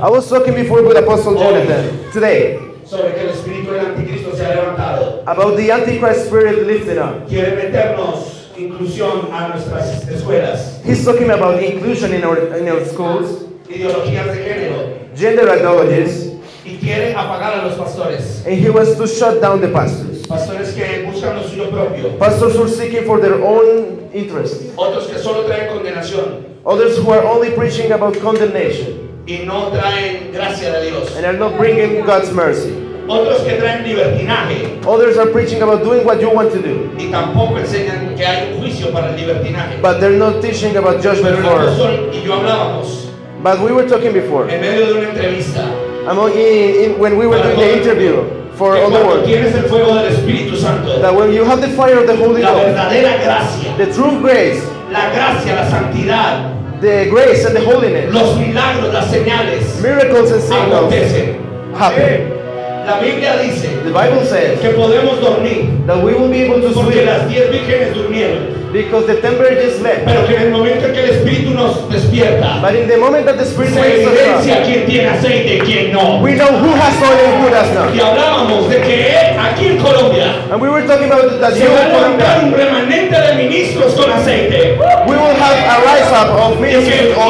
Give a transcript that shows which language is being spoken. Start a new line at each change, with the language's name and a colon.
English: I was talking before with Apostle Jonathan today.
Spanish: Sobre que el espíritu del anticristo se ha levantado.
English: About the Antichrist spirit lifted up.
Spanish: Quiere meternos inclusión a nuestras escuelas.
English: He's talking about the inclusion in our schools.
Spanish: Ideologías de género.
English: Gender ideologies.
Spanish: Y quiere apagar a los pastores.
English: And he wants to shut down the pastors.
Spanish: Pastores que buscan lo suyo propio.
English: Pastors who are seeking for their own interest.
Spanish: Otros que solo traen condenación.
English: Others who are only preaching about condemnation.
Spanish: Y no traen gracia de Dios.
English: And are not bringing God's mercy.
Spanish: Otros que traen libertinaje.
English: Others are preaching about doing what you want to do.
Spanish: Y tampoco enseñan que hay juicio para el libertinaje.
English: But they're not teaching about judgment for us.
Spanish: Y yo hablábamos.
English: But we were talking before.
Spanish: En medio de una entrevista.
English: When we were doing the interview for all the world, that when you have the fire of the Holy Ghost, the true grace,
Spanish: la gracia, la santidad,
English: the grace and the holiness,
Spanish: los milagros, las señales,
English: miracles and signals happen.
Spanish: La Biblia dice,
English: the Bible says
Spanish: que podemos dormir,
English: that we will be able to sleep
Spanish: porque las 10 vírgenes durmieron.
English: Because the temper is left.
Spanish: Pero que en el momento que el Espíritu nos despierta,
English: but in the moment that the Spirit wakes us up,
Spanish: quien tiene aceite, quien no.
English: We know who has oil and who does not.
Spanish: Y hablábamos de que aquí en Colombia,
English: and we were talking about that
Spanish: se va a levantar un remanente de ministros con aceite.
English: We will have a rise up of ministers with oil.